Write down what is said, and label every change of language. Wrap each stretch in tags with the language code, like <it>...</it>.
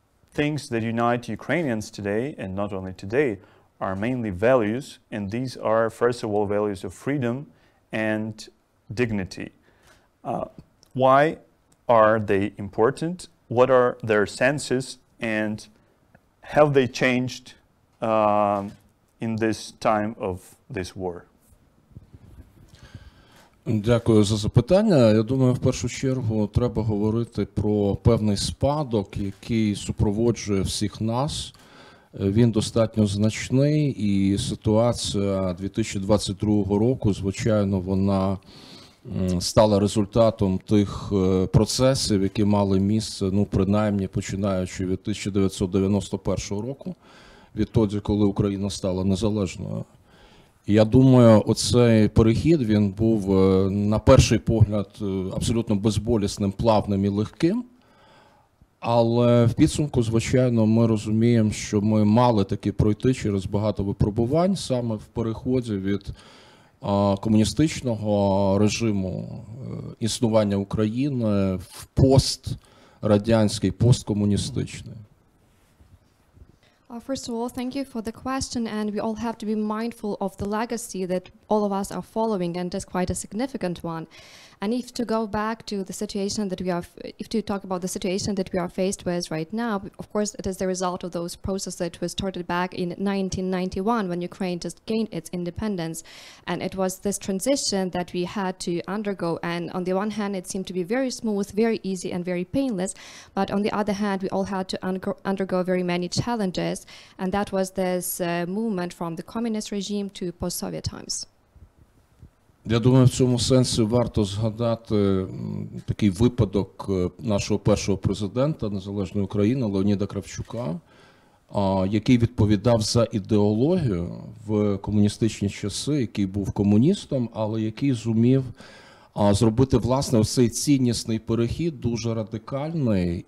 <en>things that unite Ukrainians today, and not only today, are mainly values, and these are first of all values of freedom and dignity. Why are they important? What are their senses, and have they changed in this time of this war?</en> <uk>Дякую за запитання. Я думаю, в першу чергу треба говорити про певний спадок, який супроводжує всіх нас. Він достатньо значний, і ситуація 2022 року, звичайно, вона стала результатом тих процесів, які мали місце, ну, принаймні, починаючи від 1991 року, відтоді, коли Україна стала незалежною. Я думаю, оцей перехід, він був, на перший погляд, абсолютно безболісним, плавним і легким. Але в підсумку, звичайно, ми розуміємо, що ми мали таки пройти через багато випробувань, саме в переході від комуністичного режиму існування України в пострадянський, посткомуністичний.</uk> <en>First of all, thank you for the question, and we all have to be mindful of the legacy that all of us are following, and that's quite a significant one. And if to go back to the situation that we are, if to talk about the situation that we are faced with right now, of course, it is the result of those processes that was started back in 1991 when Ukraine just gained its independence. And it was this transition that we had to undergo. And on the one hand, it seemed to be very smooth, very easy, and very painless. But on the other hand, we all had to undergo very many challenges. And that was this movement from the communist regime to post-Soviet times.</en> <uk>Я думаю, в цьому сенсі варто згадати такий випадок нашого першого президента Незалежної України Леоніда Кравчука, який відповідав за ідеологію в комуністичні часи, який був комуністом, але який зумів зробити власне оцей ціннісний перехід, дуже радикальний.</uk>